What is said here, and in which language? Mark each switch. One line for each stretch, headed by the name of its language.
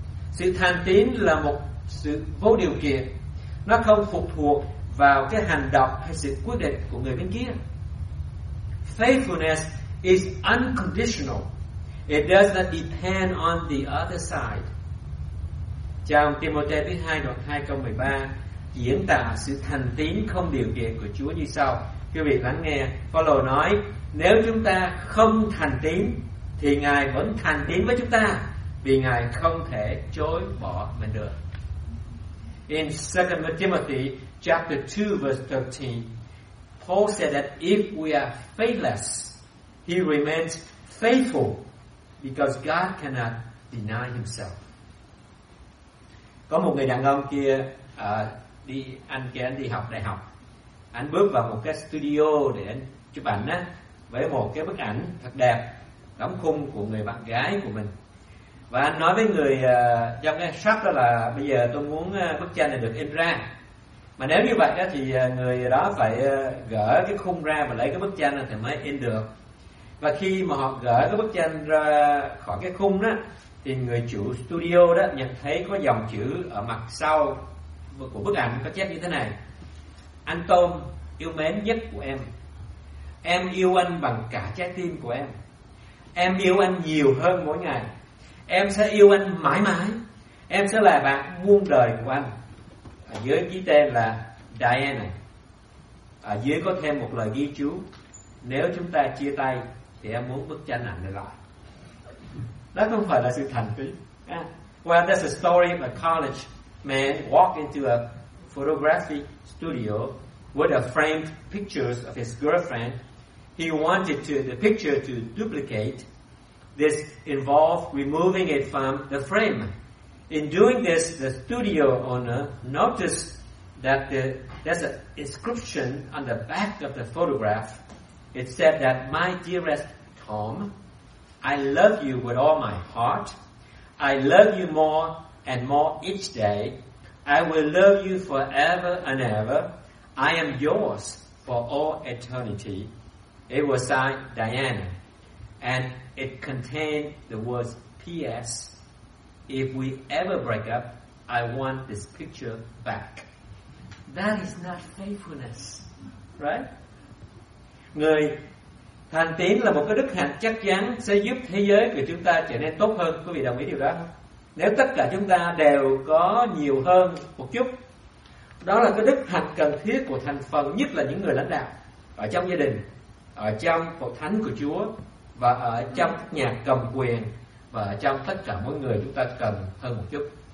Vietnamese: Sự thành tín là một sự vô điều kiện. Nó không phụ thuộc vào cái hành động hay sự quyết định của người bên kia.
English: Faithfulness is unconditional. It does not depend on the other side.
Vietnamese: Trong Timôthê thứ 2 đoạn 2 câu 13 diễn tả sự thành tín không điều kiện của Chúa như sau. Quý vị lắng nghe, Phaolô nói: nếu chúng ta không thành tín thì Ngài vẫn thành tín với chúng ta, vì Ngài không thể chối bỏ mình được. In 2 Timothy chapter 2 verse 13, Paul said that if we are faithless, he remains faithful because God cannot deny himself. Có một người đàn ông kia đi học đại học. Anh bước vào một cái studio để anh chụp ảnh á, với một cái bức ảnh thật đẹp đóng khung của người bạn gái của mình. Và anh nói với người trong cái shop đó là: bây giờ tôi muốn bức tranh này được in ra. Mà nếu như vậy đó thì người đó phải gỡ cái khung ra và lấy cái bức tranh này thì mới in được. Và khi mà họ gỡ cái bức tranh ra khỏi cái khung đó, thì người chủ studio đó nhận thấy có dòng chữ ở mặt sau của bức ảnh có chép như thế này: anh Tom yêu mến nhất của em. Em yêu anh bằng cả trái tim của em. Em yêu anh nhiều hơn mỗi ngày. Em sẽ yêu anh mãi mãi. Em sẽ là bạn muôn đời của anh. Ở dưới ký tên là Diana. Ở dưới có thêm một lời ghi chú: nếu chúng ta chia tay thì em muốn bức tranh ảnh này lại. Đó không phải là sự thành tín.
English: Well, that's a story of a college man walked into a photography studio with a framed pictures of his girlfriend. He wanted the picture to duplicate. This involved removing it from the frame. In doing this, the studio owner noticed that there's an inscription on the back of the photograph. It said that, "My dearest Tom, I love you with all my heart. I love you more and more each day. I will love you forever and ever. I am yours for all eternity." It was signed Diana, and it contained the words "P.S. If we ever break up, I want this picture back." That is not faithfulness, right?
Vietnamese: Người thành tín là một cái đức hạnh chắc chắn sẽ giúp thế giới của chúng ta trở nên tốt hơn. Quý vị đồng ý điều đó không? Nếu tất cả chúng ta đều có nhiều hơn một chút, đó là cái đức hạnh cần thiết của thành phần, nhất là những người lãnh đạo ở trong gia đình, ở trong hội thánh của Chúa, và ở trong nhà cầm quyền, và ở trong tất cả mỗi người chúng ta cần hơn một chút.